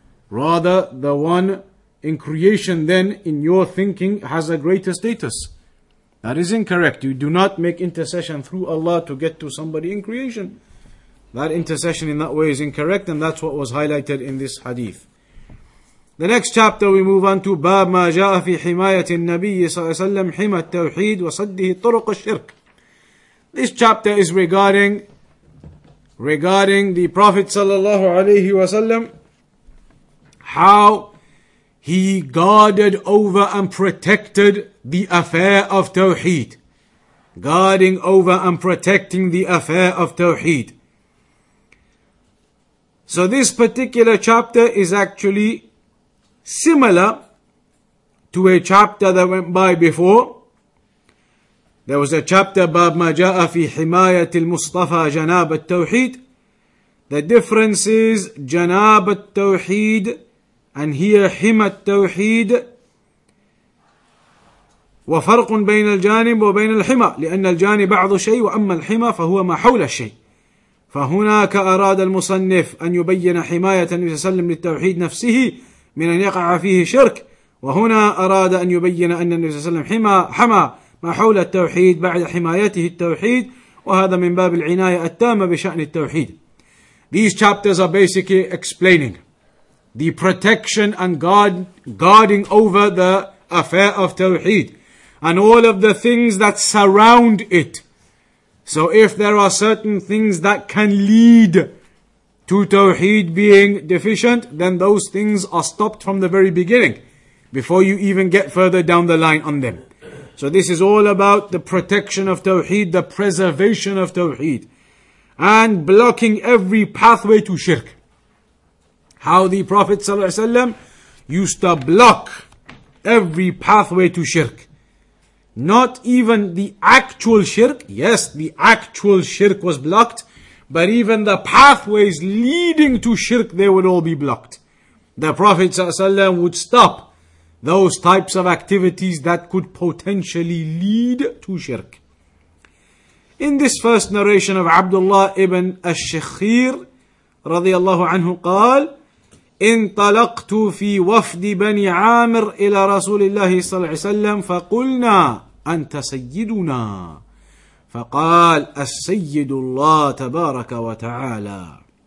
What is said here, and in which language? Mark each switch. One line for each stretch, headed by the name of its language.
English: Rather, the one in creation then, in your thinking, has a greater status. That is incorrect. You do not make intercession through Allah to get to somebody in creation. That intercession in that way is incorrect, and that's what was highlighted in this hadith. The next chapter we move on to
Arabic: باب ما جاء في حماية النبي صلى الله عليه وسلم حما التوحيد وصده طرق الشرك.
English: This chapter is regarding the Prophet
Arabic: صلى الله عليه وسلم,
English: how he guarded over and protected the affair of Tawheed. Guarding over and protecting the affair of Tawheed. So this particular chapter is actually similar to a chapter that went by before. There was a chapter,
Arabic: باب ما جاء في حماية المصطفى جناب التوحيد.
English: The difference is جناب التوحيد and here حما التوحيد.
Arabic: وفرق بين الجانب وبين الحما لأن الجانب بعض شيء وأما الحما فهو ما حول الشيء. فهناك أراد المصنف أن يبين حماية النبي صلى الله عليه وسلم للتوحيد نفسه من أن يقع فيه شرك, وهنا أراد أن يبين أن النبي صلى الله عليه وسلم حما ما حول التوحيد بعد حمايته التوحيد, وهذا من باب العناية التامة بشأن التوحيد.
English: These chapters are basically explaining the protection and guarding over the affair of Tawheed and all of the things that surround it. So if there are certain things that can lead to Tawheed being deficient, then those things are stopped from the very beginning, before you even get further down the line on them. So this is all about the protection of Tawheed, the preservation of Tawheed, and blocking every pathway to shirk. How the Prophet ﷺ used to block every pathway to shirk. Not even the actual shirk. Yes, the actual shirk was blocked. But even the pathways leading to shirk, they would all be blocked. The Prophet ﷺ would stop those types of activities that could potentially lead to shirk. In this first narration of Abdullah ibn al-Shakhir,
Arabic: رضي الله عنه, قال, انطلقت في وفد بني عامر إلى رسول الله صلى الله عليه وسلم فقلنا أنت سيدنا فقال السيد الله تبارك وتعالى.